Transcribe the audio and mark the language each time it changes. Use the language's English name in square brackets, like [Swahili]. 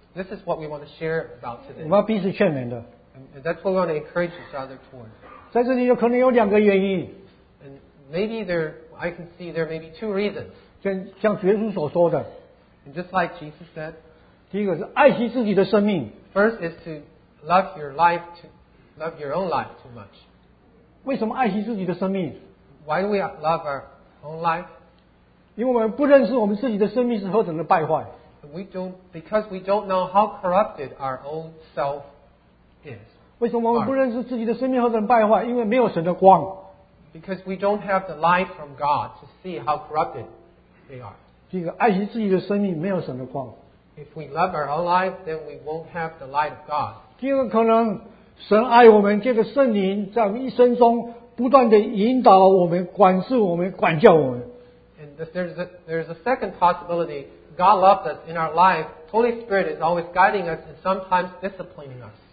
[English] this is what we want to share about today. [Chinese] 我们要彼此劝勉的。 [English] And that's what we want to encourage each other toward. [Chinese] 在这里有可能有两个原因。 [English] And maybe I can see there may be two reasons. [Chinese] 像耶稣所说的。 [English] And just like Jesus said. [Chinese] 第一个是爱惜自己的生命。 [English] First is to love your life love your own life too much? [Chinese] 为什么爱惜自己的生命? [English] Why do we love our own life? [Chinese] 因为我们不认识我们自己的生命是何等的败坏。 [English] Because we don't know how corrupted our own self is. [Chinese] 为什么我们不认识自己的生命何等败坏? 因为没有神的光。 [English] Because we don't have the light from God to see how corrupted they are. [Chinese] 这个爱惜自己的生命没有神的光。 [English] If we love our own life, then we won't have the light of God. [Chinese] 这个可能神爱我们，这个圣灵在我们一生中不断的引导我们、管束我们、管教我们。 [English] And there's a second possibility. God loves us in our life. Holy Spirit is always guiding us and sometimes disciplining us.